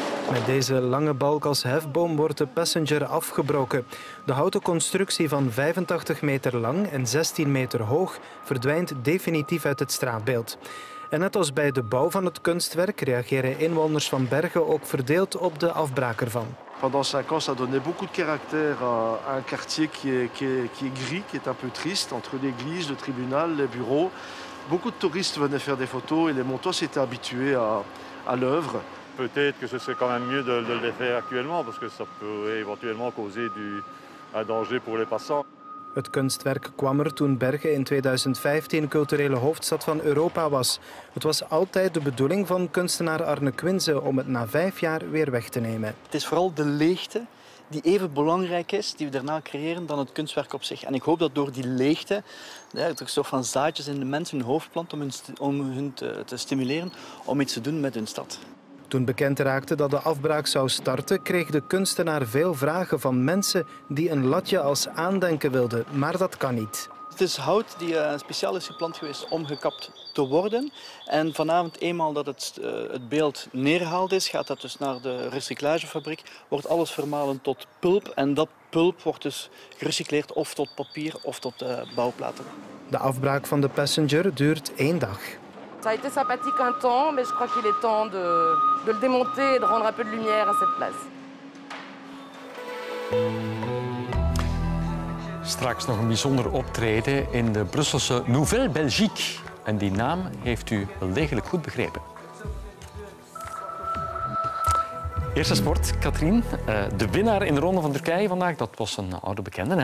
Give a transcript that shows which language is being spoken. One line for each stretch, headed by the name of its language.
Dutch: Met deze lange balk als hefboom wordt de passenger afgebroken. De houten constructie van 85 meter lang en 16 meter hoog verdwijnt definitief uit het straatbeeld. En net als bij de bouw van het kunstwerk reageren inwoners van Bergen ook verdeeld op de afbraak ervan.
French: Pendant 5 ans, ça donnait beaucoup de caractère à un quartier qui est gris, qui est un peu triste, entre l'église, le tribunal, les bureaux. Beaucoup de touristes venaient faire des photos et les Montois s'étaient habitués à l'œuvre. Peut-être que ce serait quand même mieux de le faire actuellement, parce que ça pourrait éventuellement causer un danger pour les passants.
Dutch: Het kunstwerk kwam er toen Bergen in 2015 culturele hoofdstad van Europa was. Het was altijd de bedoeling van kunstenaar Arne Quinze om het na 5 jaar weer weg te nemen. Het is vooral de leegte die even belangrijk is, die we daarna creëren, dan het kunstwerk op zich. En ik hoop dat door die leegte, dat er soort van zaadjes in de mensen hun hoofd plant om hun te stimuleren om iets te doen met hun stad. Toen bekend raakte dat de afbraak zou starten, kreeg de kunstenaar veel vragen van mensen die een latje als aandenken wilden. Maar dat kan niet. Het is hout die speciaal is geplant geweest om gekapt te worden. En vanavond, eenmaal dat het beeld neergehaald is, gaat dat dus naar de recyclagefabriek, wordt alles vermalen tot pulp. En dat pulp wordt dus gerecycleerd of tot papier of tot bouwplaten. De afbraak van de passenger duurt 1 dag.
French: Ça a été sympathique un temps, mais je crois qu'il est temps de le démonter et de rendre un peu de lumière à cette place.
Dutch: Straks nog een bijzonder optreden in de Brusselse Nouvelle Belgique. En die naam heeft u wel degelijk goed begrepen. Eerste sport, Katrien. De winnaar in de Ronde van Turkije vandaag, dat was een oude bekende, hè?